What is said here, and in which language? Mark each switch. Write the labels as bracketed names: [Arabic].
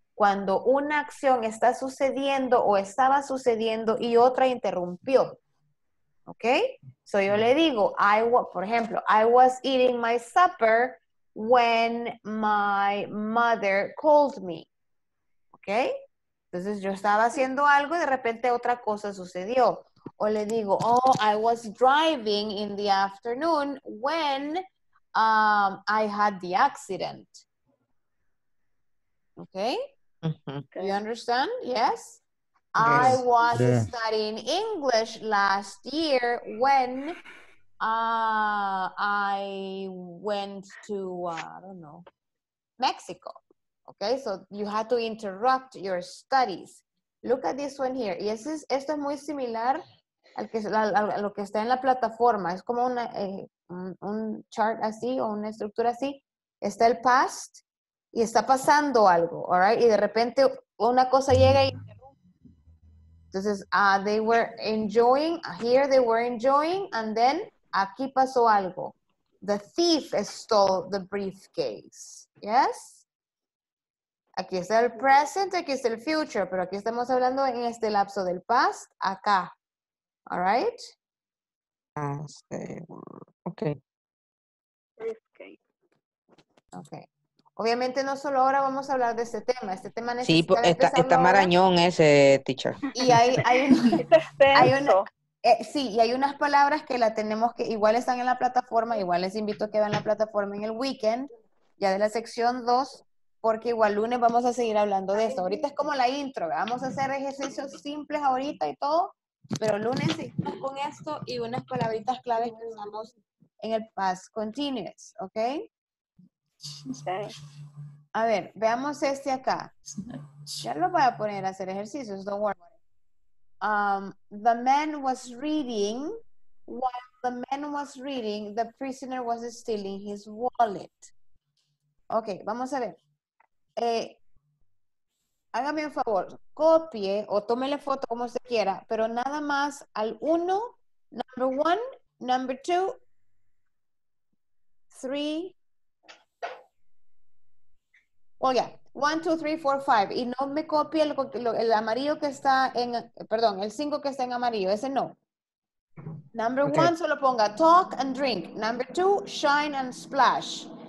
[Spanish] Cuando una acción está sucediendo o estaba sucediendo y otra interrumpió. [English] ¿Ok? So [Spanish] yo le digo, por ejemplo, [English] I was eating my supper when my mother called me. ¿Ok? [Spanish] Entonces yo estaba haciendo algo y de repente otra cosa sucedió. O le digo, [English] oh, I was driving in the afternoon when I had the accident. Okay? Okay. You understand? Yes? I was studying English last year when I went to, Mexico. Okay? So you had to interrupt your studies. Look at this one here. [Spanish] Y esto es muy similar a lo que está en la plataforma. Es como un chart así o una estructura así. Está el past y está pasando algo, [English] all right? [Spanish] Y de repente una cosa llega y... Entonces, [English] they were enjoying, here they were enjoying, and then [Spanish] aquí pasó algo. [English] The thief stole the briefcase. Yes? [Spanish] Aquí está el present, aquí está el future, pero aquí estamos hablando en este lapso del past, acá. [English] All right? Okay. Okay. [Spanish] Obviamente no solo ahora vamos a hablar de este tema necesita... Sí, está marañón ahora. Ese, teacher. Y hay unas palabras que la tenemos que, igual están en la plataforma, igual les invito a que vean la plataforma en el weekend, ya de la sección 2. Porque igual lunes vamos a seguir hablando de esto. Ahorita es como la intro. Vamos a hacer ejercicios simples ahorita y todo. Pero lunes seguimos con esto y unas palabritas claves que usamos en el past continuous. ¿Ok? A ver, veamos este acá. Ya lo voy a poner a hacer ejercicios. [English] Don't worry. The man was reading. While the man was reading, the prisoner was stealing his wallet. [Spanish] Ok, vamos a ver. Hágame un favor, copie o tómele foto como se quiera, pero nada más al 1, [English] number 1, number 2, [Spanish] 3, 1, 2, 3, 4, 5, y no me copie el amarillo que está en, perdón, el 5 que está en amarillo, ese no. [English] Number 1, [Spanish] solo ponga [English] talk and drink, number 2, shine and splash.